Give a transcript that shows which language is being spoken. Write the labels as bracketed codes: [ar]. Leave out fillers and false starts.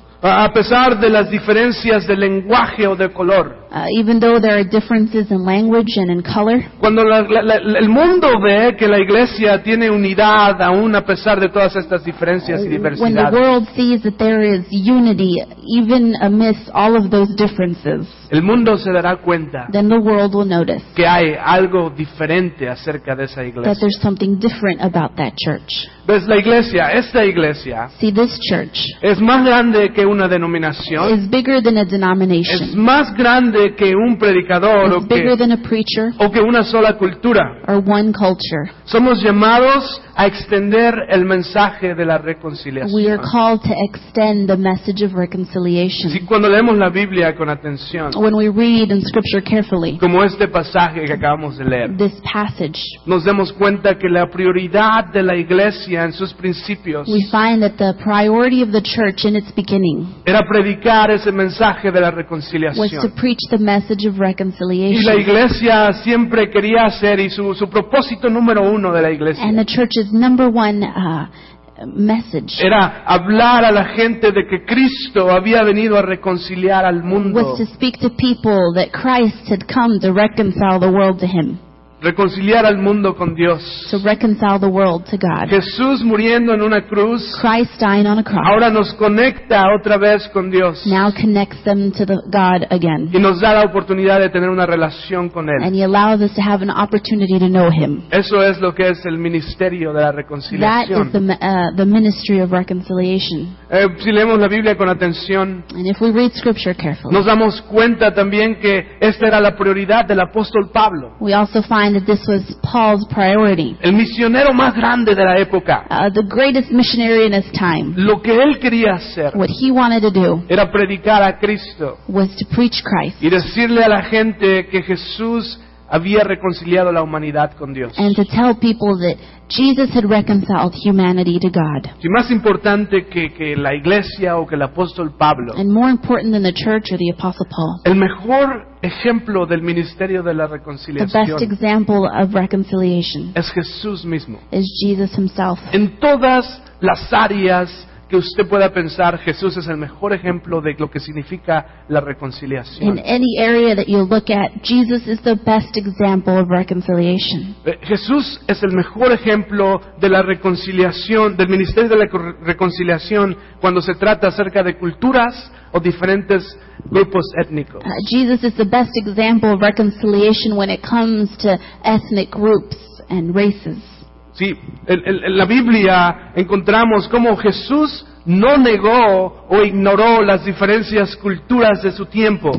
[es] a pesar de las diferencias de lenguaje o de color, [en] even though there are differences in language and in color, [es] cuando el mundo ve que la iglesia tiene unidad aún a pesar de todas estas diferencias y diversidad, [en] when the world sees that there is unity even amidst all of those differences, [es] el mundo se dará cuenta, [en] then the world will notice, [es] que hay algo diferente acerca de esa iglesia, [en] that there's something different about that church. [es] Ves, la iglesia, esta iglesia, [en] see, this church [es] es más grande que una denominación, [en] is bigger than a denomination, [es] es más grande que un predicador o que una sola cultura. [en] Or one culture. [es] Somos llamados a extender el mensaje de la reconciliación. [en] We are called to extend the message of reconciliation. [es] Si cuando leemos la Biblia con atención, [en] when we read in scripture carefully, [es] como este pasaje que acabamos de leer, [en] this passage, [es] nos damos cuenta que la prioridad de la iglesia en sus principios, [en] we find that the priority of the church in its beginning, [es] era predicar ese mensaje de la reconciliación. [en] Preach the message of reconciliation. [es] Y la iglesia siempre quería hacer, y su propósito número uno de la iglesia, [en] and the church's number one message, [es] era hablar a la gente de que Cristo había venido a reconciliar al mundo. [en] Was to speak to people that Christ had come to reconcile the world to him. [es] reconciliar al mundo con Dios. [en] To reconcile the world to God. [es] Jesús muriendo en una cruz. [en] Christ dying on a cross. [es] Ahora nos conecta otra vez con Dios. [en] Now connects them to the God again. [es] Y nos da la oportunidad de tener una relación con Él. [en] And He allows us to have an opportunity to know Him. [es] Eso es lo que es el ministerio de la reconciliación. [en] That is the ministry of reconciliation. [es] Si leemos la Biblia con atención, [en] and if we read scripture carefully, [es] nos damos cuenta también que esta era la prioridad del apóstol Pablo. [en] We also find that this was Paul's priority. [es] El misionero más grande de la época. [en] The greatest missionary in his time. [es] Lo que él quería hacer. [en] What he wanted to do. [es] Era predicar a Cristo. [en] Was to preach Christ. [es] Y decirle a la gente que Jesús había reconciliado la humanidad con Dios. [en] And to tell people that Jesus had reconciled humanity to God. [es] Y más importante que la iglesia o que el apóstol Pablo. [en] And more important than the church or the apostle Paul. [es] El mejor ejemplo del ministerio de la reconciliación. [en] The best example of reconciliation. [es] Es Jesús mismo. [en] Is Jesus himself. [es] En todas las áreas que usted pueda pensar, Jesús es el mejor ejemplo de lo que significa la reconciliación. [en] In any area that you look at, Jesus is the best example of reconciliation. [es] Jesús es el mejor ejemplo de la reconciliación, del ministerio de la reconciliación cuando se trata acerca de culturas o diferentes grupos étnicos. [en] Jesus is the best example of reconciliation when it comes to ethnic groups and races. [es] Sí, en la Biblia encontramos cómo Jesús no negó o ignoró las diferencias culturales de su tiempo.